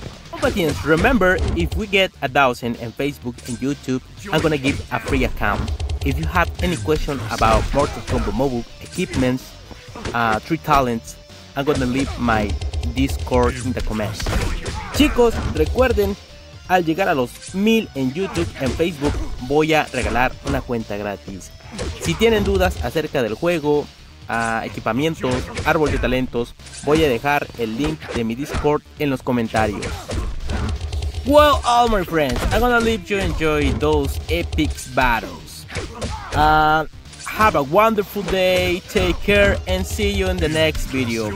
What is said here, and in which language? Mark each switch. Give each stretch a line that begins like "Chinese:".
English: Combatants, remember, if we get 1,000 on Facebook and YouTube, I'm gonna give a free account. If you have any question about Mortal Kombat Mobile equipments, 3 talents, I'm gonna leave my Discord in the comments.
Spanish: Chicos, recuerden, al llegar a los 1,000 en YouTube en Facebook, voy a regalar una cuenta gratis. Si tienen dudas acerca del juego, equipamientos, árbol de talentos, voy a dejar el link de mi Discord en los comentarios.
English: Well, all my friends, I'm gonna leave you enjoy those epic battles. Have a wonderful day, take care, and see you in the next video.